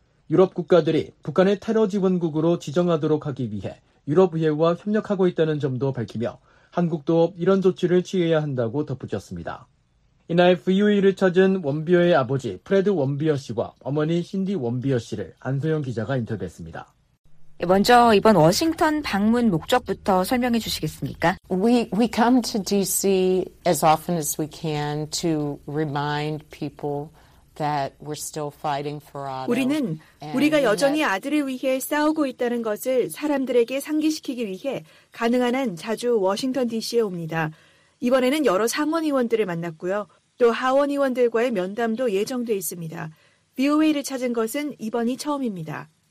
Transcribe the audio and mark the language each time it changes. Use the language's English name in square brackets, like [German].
[Korean] 유럽 국가들이 북한을 테러 지원국으로 지정하도록 하기 위해 유럽의회와 협력하고 있다는 점도 밝히며 한국도 이런 조치를 취해야 한다고 덧붙였습니다. 이날 VOA를 찾은 원비어의 아버지 프레드 원비어 씨와 어머니 신디 원비어 씨를 안소영 기자가 인터뷰했습니다. 먼저 이번 워싱턴 방문 목적부터 설명해 주시겠습니까? [English] We come to DC as often as we can to remind people that we're still fighting for Otto. [Korean] 우리는 우리가 여전히 아들을 위해 싸우고 있다는 것을 사람들에게 상기시키기 위해 가능한 한 자주 워싱턴 DC에 옵니다. 이번에는 여러 상원의원들을 만났고요. 또 하원의원들과의 면담도 예정돼 있습니다. BOA를 찾은 것은 이번이 처음입니다.